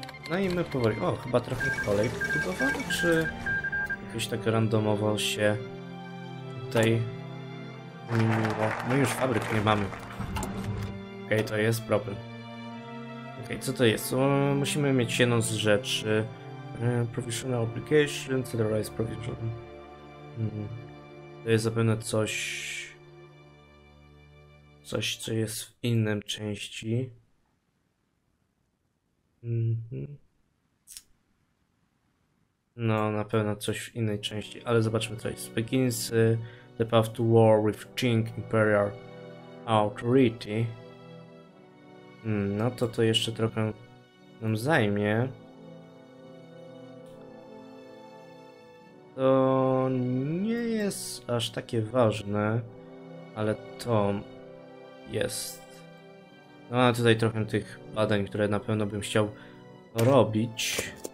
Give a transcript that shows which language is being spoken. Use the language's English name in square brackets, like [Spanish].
[Polish] No i my powoli... O, chyba trochę kolej budowano, czy... Jakoś tak randomowo się... Tutaj... Zmieniło. My już fabryk nie mamy. Okej, to jest problem. Okej, co to jest? Musimy mieć jedną z rzeczy. [English] Professional Obligation, Celerized Provision. [Polish] To jest zapewne coś... Coś, co jest w innym części. No, na pewno coś w innej części, ale zobaczmy co jest. [English] Begins the path to war with Qing Imperial Authority. [Polish] No to to jeszcze trochę nam zajmie. To nie jest aż takie ważne, ale to jest. No a tutaj trochę tych badań, które na pewno bym chciał robić.